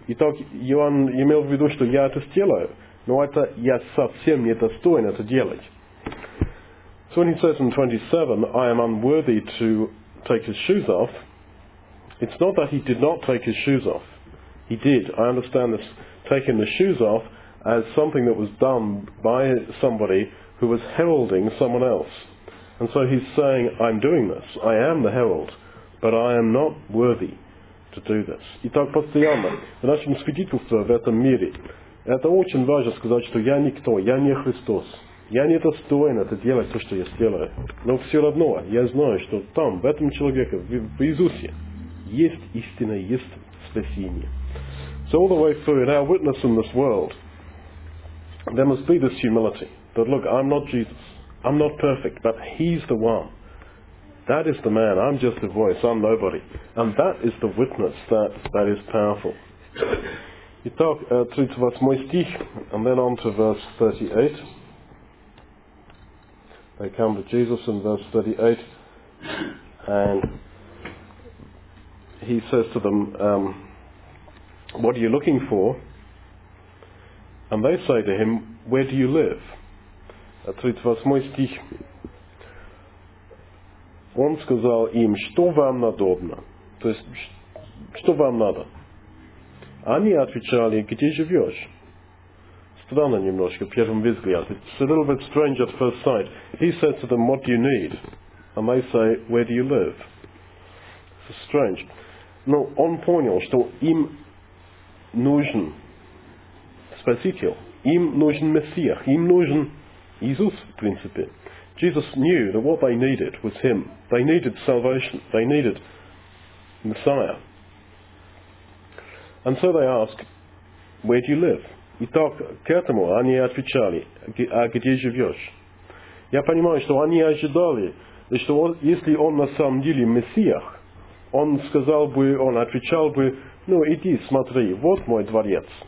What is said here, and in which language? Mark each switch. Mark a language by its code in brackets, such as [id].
[ru] Итак, Иоанн имел в виду, что я это сделаю, но это я совсем не достоин это делать. [en] So when he says in 27, I am unworthy to take his shoes off, it's not that he did not take his shoes off. He did. I understand this, taking the shoes off as something that was done by somebody who was heralding someone else. And so he's saying, I'm doing this, I am the herald, but I am not worthy to do this. [ru] Итак, постоянно, в нашем свидетельстве в этом мире, это очень важно сказать, что я никто, я не Христос. Я не достоин это делать, то, что я сделаю. Но все равно, я знаю, что там, в этом человеке, в Иисусе, есть истина, есть спасение. [en] So all the way through, in our witness in this world, there must be this humility. That look, I'm not Jesus. I'm not perfect, but he's the one. That is the man. I'm just a voice. I'm nobody. And that is the witness that is powerful. [ru] Итак, 38 стих, [en] and then on to verse 38. They come to Jesus in verse 38, and he says to them, what are you looking for? And they say to him, where do you live? [ru] 38 стих. Он сказал им, что вам надобно? То есть, что вам надо? Они отвечали, где живешь? Странно немножко, первым взглядом. [en] It's a little bit strange at first sight. He said to them, what do you need? And they say, where do you live? It's strange. [ru] Но он понял, что им нужен Спаситель. Им нужен Мессия. Им нужен Иисус, в принципе. [en] Jesus knew that what they needed was him. They needed salvation. They needed Messiah. And so they ask, where do you live? [ru] Итак, к этому они отвечали, а где живешь? Я понимаю, что они ожидали, что если он на самом деле Мессия, он сказал бы, он отвечал бы, ну иди, смотри, вот мой дворец.